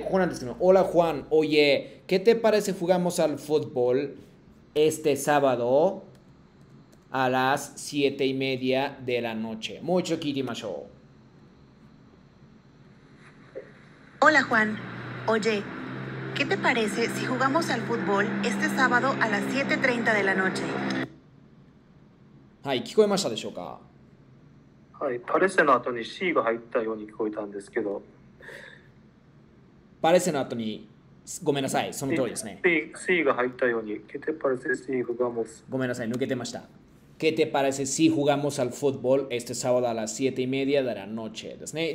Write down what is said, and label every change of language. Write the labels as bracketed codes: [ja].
[ja] ここなんですけど、 [es] Hola Juan, oye, ¿qué te parece jugamos al fútbol este sábado a las 7:30 de la noche? [ja] もう一度聞いてみましょう。 [es] Hola Juan, oye, ¿qué te parece si jugamos al fútbol este sábado a las 7:30 de la noche? [ja] はい、聞こえましたでしょうか。はい、パレセの後に C が入ったように聞こえたんですけど、パレセの後に、ごめんなさい、その通りですね。 C が入ったように、 [es] ケテパレセ C フガモス。 [ja] ごめんなさい、抜けてました。 [es] ケテパレセ C フガモスアルフットボール、エステサバダラシエティメディアダラノチェ [ja] ですね。